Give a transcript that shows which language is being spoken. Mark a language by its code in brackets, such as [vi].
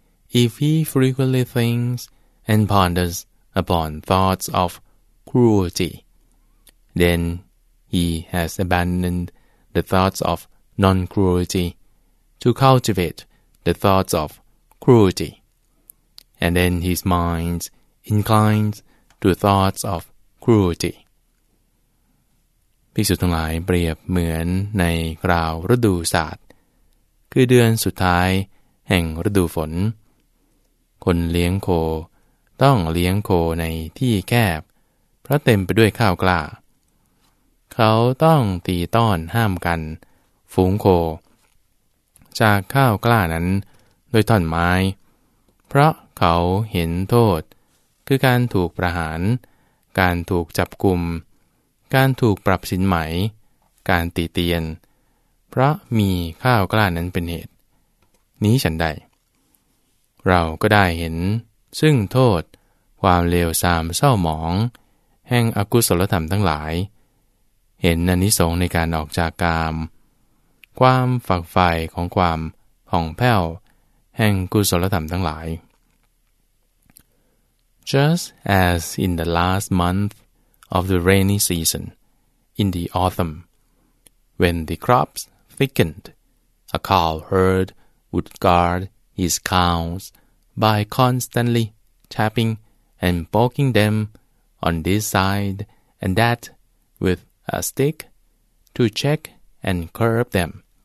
[en] If he frequently thinks and ponders upon thoughts of cruelty, then he has abandoned the thoughts of non-cruelty to cultivate the thoughts of cruelty, and then his mind inclines to thoughts of cruelty. [th] ภิกษุทั้งหลายเปรียบเหมือนในคราวฤดูสาดคือเดือนสุดท้ายแห่งฤดูฝนคนเลี้ยงโคต้องเลี้ยงโคในที่แคบเพราะเต็มไปด้วยข้าวกล้าเขาต้องตีต้อนห้ามกันฝูงโค จากข้าวกล้านั้นด้วยท่อนไม้เพราะเขาเห็นโทษคือการถูกประหารการถูกจับกุมการถูกปรับสินไหมการตีเตียนเพราะมีข้าวกล้านั้นเป็นเหตุนี้ฉันใด เราก็ได้เห็นซึ่งโทษความเลวทรามเศร้าหมองแห่งอกุศลธรรมทั้งหลายเห็นอนิสงส์ในการออกจากกามความฝักใฝ่ของความผ่องแผ้วแห่งกุศลธรรมทั้งหลาย [en] Just as in the last month of the rainy season in the autumn, when the crops thickened, a cowherd would guard his cows by constantly tapping and poking them on this side and that with a stick to check and curb them.